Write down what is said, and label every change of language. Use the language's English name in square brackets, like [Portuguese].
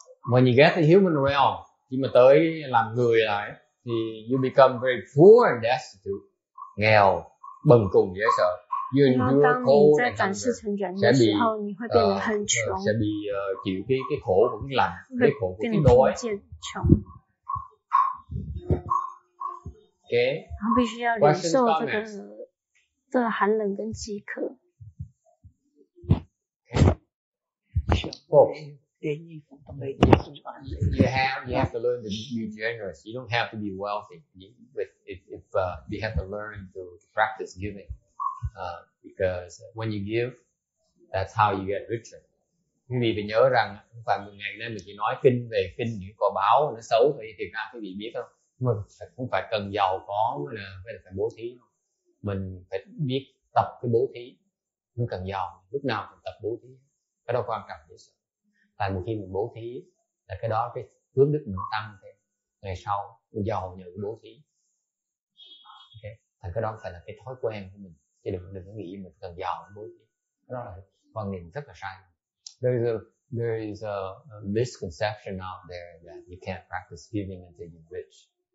[English] When you get the human realm, [Vietnamese] khi mà tới làm người lại, thì [English] you become very poor and destitute, [Vietnamese] nghèo, bần cùng dễ sợ. [English] You endure cold and hunger. [Chinese] 当你在转世成人的时候，你会变得很穷， [Vietnamese] sẽ bị chịu cái khổ của cái lạnh, cái khổ của cái đói. [Chinese] 变得贫穷。 [English] Okay. [Chinese] 然后必须要忍受这个寒冷跟饥渴。 [English] Okay. You have to learn to be generous. You don't have to be wealthy. You have to learn to practice giving. Because when you give, that's how you get richer. [Vietnamese] quý vị phải nhớ rằng và ngày nay mình chỉ nói kinh về kinh những kho báo nó xấu thì thiệt ra quý vị biết không, mình cũng phải cần giàu có mới là phải bố thí, mình phải biết tập cái bố thí, mình cần giàu lúc nào mình tập bố thí, cái đó quan trọng nhất. Tại một khi mình bố thí là cái đó cái phước đức mình tăng thêm, ngày sau mình giàu nhờ cái bố thí. [English] Okay. [Vietnamese] Thành cái đó phải là cái thói quen của mình, chứ đừng có nghĩ mình cần giàu bố thí, cái đó là quan niệm rất là sai. [English] There is a misconception out there that you can't practice giving until you're rich.